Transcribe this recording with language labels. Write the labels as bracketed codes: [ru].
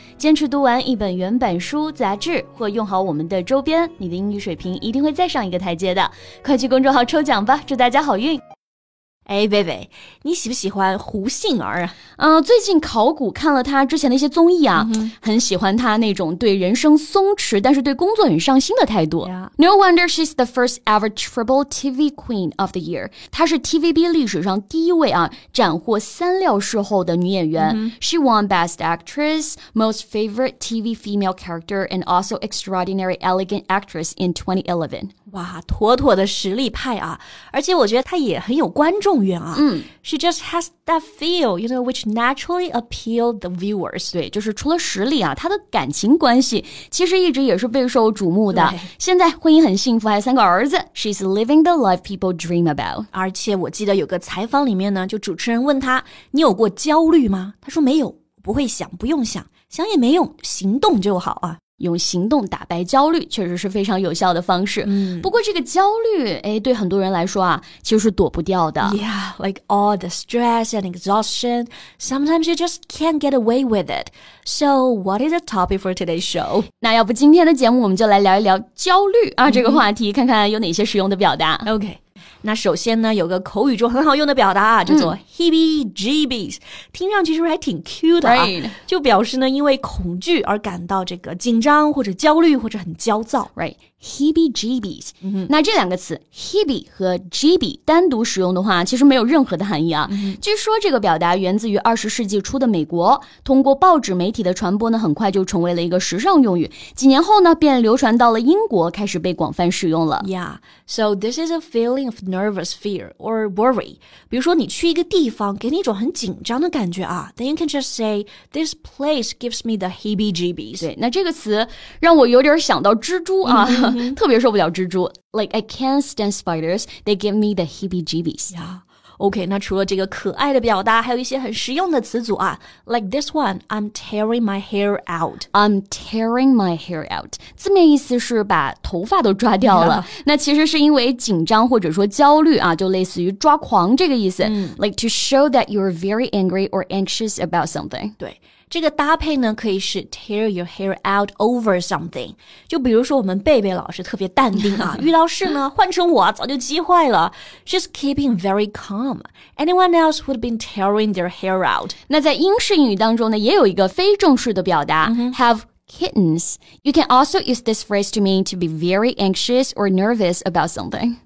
[zh] 坚持读完一本原版书、杂志或用好我们的周边，你的英语水平一定会再上一个台阶的。快去公众号抽奖吧，祝大家好运。哎，贝贝，你喜不喜欢胡杏儿啊？最近考古看了他之前的一些综艺啊，很喜欢他那种对人生松弛但是对工作很上心的态度。 [en] No wonder she's the first ever triple TV queen of the year. [zh] 她是 TVB 历史上第一位啊斩获三料事后的女演员。 [en] She won best actress, most favorite TV female character, and also extraordinary elegant actress in 2011. [zh] 哇，妥妥的实力派啊，而且我觉得她也很有观众缘啊。 [en] She just has that feel, you know, which naturally appeal the viewers. [zh] 对，就是除了实力啊，她的感情关系其实一直也是备受瞩目的。现在婚姻很幸福，还有三个儿子。 [en] She's living the life people dream about. [zh] 而且我记得有个采访里面呢，就主持人问她，你有过焦虑吗？她说没有，不会想，不用想，想也没用，行动就好啊。用行动打败焦虑确实是非常有效的方式。不过这个焦虑对很多人来说啊其实是躲不掉的。 [en] Yeah, like all the stress and exhaustion, sometimes you just can't get away with it. So what is the topic for today's show? [zh] 那要不今天的节目我们就来聊一聊焦虑啊这个话题，看看有哪些实用的表达。 OK. 那首先呢有个口语中很好用的表达啊叫做 heebie-jeebies, 听上去是不是还挺 cute 的啊、 [en] right. [zh] 就表示呢因为恐惧而感到这个紧张或者焦虑或者很焦躁。 [en] Right, heebie-jeebies.、 [zh] 那这两个词 heebie 和 jeebie 单独使用的话其实没有任何的含义啊。据说这个表达源自于20世纪初的美国，通过报纸媒体的传播呢很快就成为了一个时尚用语，几年后呢便流传到了英国，开始被广泛使用了。 [en] Yeah, so this is a feeling ofnervous fear or worry. [zh] 比如说你去一个地方给你一种很紧张的感觉啊 [en] then you can just say, this place gives me the heebie-jeebies. [zh] 对，那这个词让我有点想到蜘蛛啊、特别受不了蜘蛛。 [en] Like, I can't stand spiders, they give me the heebie-jeebies. Yeah. OK, [zh] 那除了这个可爱的表达还有一些很实用的词组啊 [en] Like this one, I'm tearing my hair out. I'm tearing my hair out. [zh] 字面意思是把头发都抓掉了、那其实是因为紧张或者说焦虑啊就类似于抓狂这个意思、 [en] Like to show that you're very angry or anxious about something. [zh] 对这个搭配呢可以是 [en] tear your hair out over something. [zh] 就比如说我们贝贝老师特别淡定啊遇到事呢换成我早就急坏了。 [en] She's keeping very calm. Anyone else would have been tearing their hair out. [zh] 那在英式英语当中呢也有一个非正式的表达、have kittens. [en] You can also use this phrase to mean to be very anxious or nervous about something.